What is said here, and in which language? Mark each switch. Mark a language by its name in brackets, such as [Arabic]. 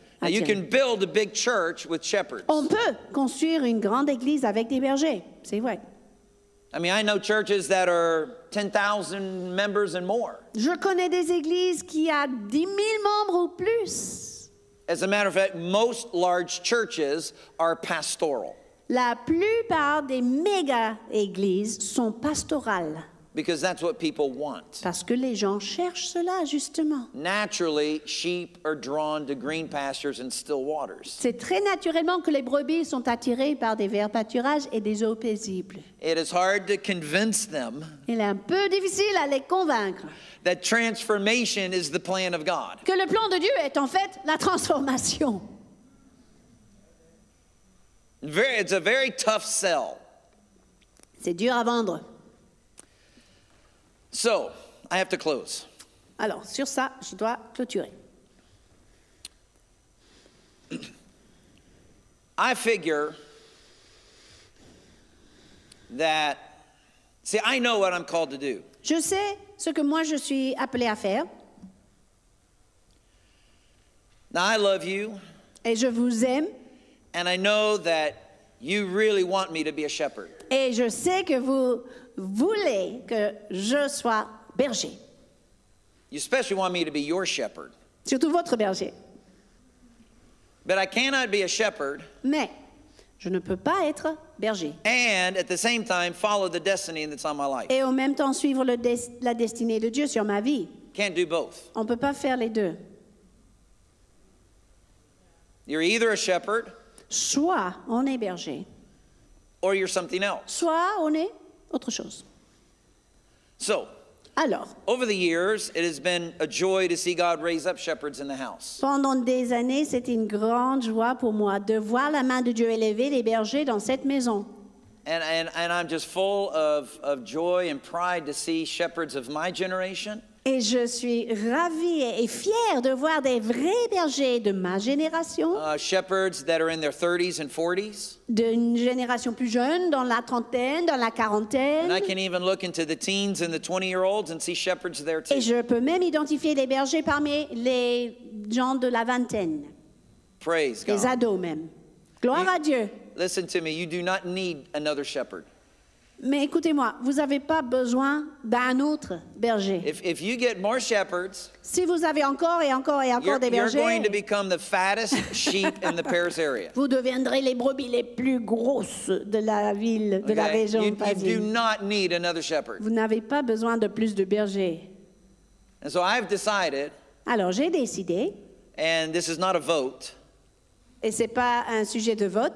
[English] Now you can build a big church with shepherds. [French] On peut construire une grande église avec des bergers. C'est vrai. [English] I mean, I know churches that are 10,000 members and more. [French] Je connais des églises qui a 10,000 membres ou plus. [English] As a matter of fact, most large churches are pastoral. [French] La plupart des méga églises sont pastorales. [English] Because that's what people want. [French] Parce que les gens cherchent cela justement. [English] Naturally, sheep are drawn to green pastures and still waters. [French] C'est très naturellement que les brebis sont attirées par des verts pâturages et des eaux paisibles. [English] It is hard to convince them. [French] Il est un peu difficile à les convaincre. [English] That transformation is the plan of God. [French] Que le plan de Dieu est en fait la transformation. [English] It's a very tough sell. [French] C'est dur à vendre. [English] So, I have to close. [French] Alors, sur ça, je dois clôturer. [English] I figure that, see, I know what I'm called to do. [French] Je sais ce que moi je suis appelé à faire. [English] Now, I love you. [French] Et je vous aime. [English] And I know that you really want me to be a shepherd. [French] Et je sais que vous voulez que je sois berger. [English] You especially want me to be your shepherd. [French] Surtout votre berger. [English] But I cannot be a shepherd. [French] Mais je ne peux pas être berger. [English] And at the same time follow the destiny that's on my life. [French] Et en même temps suivre la destinée de Dieu sur ma vie. [English] Can't do both. [French] On ne peut pas faire les deux. [English] You're either a shepherd. [French] Soit on est berger. [English] Or you're something else. [French] Soit on est autre chose. [English] So, [French] alors, [English] over the years, it has been a joy to see God raise up shepherds in the house. [French] Pendant des années, c'est une grande joie pour moi de voir la main de Dieu élever les bergers dans cette maison. [English] And I'm just full of joy and pride to see shepherds of my generation. [French] Et je suis ravie et fière de voir des vrais bergers de ma génération. [English] Shepherds that are in their 30s and 40s. [French] D'une génération plus jeune, dans la trentaine, dans la quarantaine. [English] And I can even look into the teens and the 20-year-olds and see shepherds there too. [French] Et je peux même identifier les bergers parmi les gens de la vingtaine. [English] Praise God. [French] Les ados même. Gloire à Dieu. [English] Listen to me, you do not need another shepherd. [French] Mais écoutez-moi, vous n'avez pas besoin d'un autre berger. [English] If you get more shepherds, [French] si vous avez encore et encore et encore des bergers, [English] you're going to become the fattest sheep in the Paris area. [French] Vous deviendrez les brebis les plus grosses de la ville, de la région de Paris. [English] You do not need another shepherd. [French] Vous n'avez pas besoin de plus de bergers. [English] And so I've decided, [French] alors j'ai décidé, [English] and this is not a vote, [French] et ce n'est pas un sujet de vote.